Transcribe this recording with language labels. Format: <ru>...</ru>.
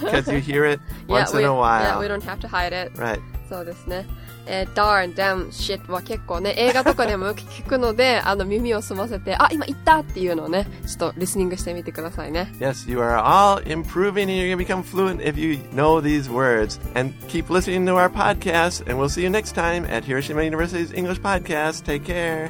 <en>Because you hear it once in a while. Yeah, we don't have to hide it. Right.</en> <ja>そうですね。</ja> <en>Darn, damn, shit</en> <ja>は結構ね、映画とかでもよく聞くので、耳を澄ませて、あ、今言ったっていうのをね、ちょっとリスニングしてみてくださいね。</ja> <en>Yes, you are all improving and you're going to become fluent if you know these words. And keep listening to our podcast and we'll see you next time at Hiroshima University's English Podcast. Take care.</en>